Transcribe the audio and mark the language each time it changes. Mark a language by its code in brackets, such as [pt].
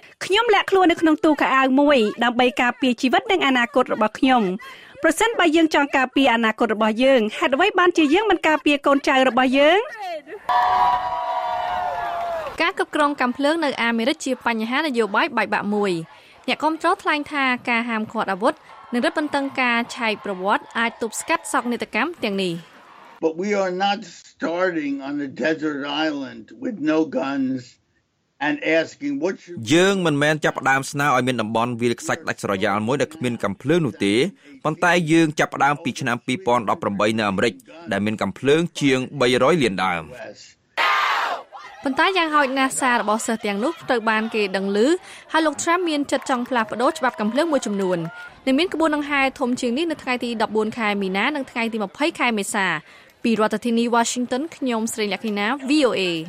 [km] ខ្ញុំលាក់ខ្លួននៅក្នុងទូខោអាវមួយដើម្បីការពារជីវិតនិងអនាគតរបស់ខ្ញុំប្រសិនបើយើងចង់ការពារអនាគតរបស់យើងហេតុអ្វីបានជាយើងមិនការពារកូនចៅរបស់យើង ការគ្រប់គ្រងកំភ្លើងនៅអាមេរិកជាបញ្ហានយោបាយបែកបាក់មួយអ្នកគាំទ្រថ្លែងថាការហាមឃាត់អាវុធនិងរឹតបន្តឹងការឆែកប្រវត្តិអាចទប់ស្កាត់សោកនាដកម្មទាំងនេះ [en] But we are not starting on a desert island with no guns and asking what you [km] យើងមិនមែនចាប់ផ្ដើមស្នើឲ្យមានតំបន់វាលខ្សាច់ដាច់ស្រយាលមួយដែលគ្មានកាំភ្លើងនោះទេប៉ុន្តែយើងចាប់ផ្ដើមពីឆ្នាំ2018នៅអាមេរិកដែលមានកាំភ្លើងជាង300លានដើម ប៉ុន្តែយ៉ាងហោចណាស់សាររបស់សិស្សទាំងនោះត្រូវបានគេដឹងឮហើយលោកត្រាំមានចិត្តចង់ផ្លាស់ប្ដូរច្បាប់កំភ្លើងមួយចំនួននឹងមានក្បួនដង្ហែធំជាងនេះនៅថ្ងៃទី14ខែមីនានិងថ្ងៃទី20ខែមេសាពីរដ្ឋធានី Washington ខ្ញុំស្រីលក្ខិណា VOA